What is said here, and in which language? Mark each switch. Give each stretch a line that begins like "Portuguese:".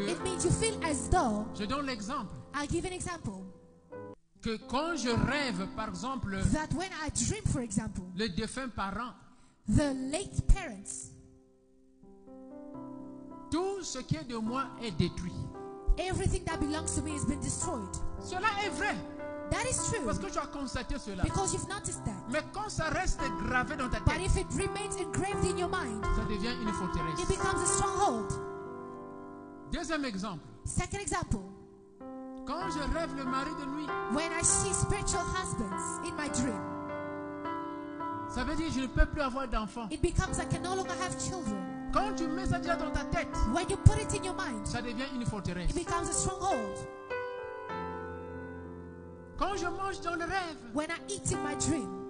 English: It means you feel as though.
French: Je donne l'exemple.
English: I give an example.
French: Que quand je rêve, par exemple,
English: that when I dream, for example,
French: le défunt parent,
English: the late parents,
French: tout ce qui est de moi est détruit.
English: Everything that belongs to me has been destroyed.
French: Cela est vrai.
English: That is true.
French: Parce que tu as constaté cela.
English: Because you've noticed that.
French: Mais quand ça reste gravé dans ta tête,
English: but if it remains engraved in your mind,
French: ça devient une forteresse.
English: It becomes a stronghold.
French: Deuxième exemple.
English: Second example.
French: Quand je rêve le mari de nuit,
English: when I see spiritual husbands in my dream,
French: ça veut dire je ne peux plus avoir d'enfants.
English: It becomes I can no longer have children.
French: Quand tu mets ça déjà dans ta tête,
English: when you put it in your mind,
French: ça devient une forteresse.
English: It becomes a stronghold.
French: Quand je mange dans le rêve,
English: when I eat in my dream,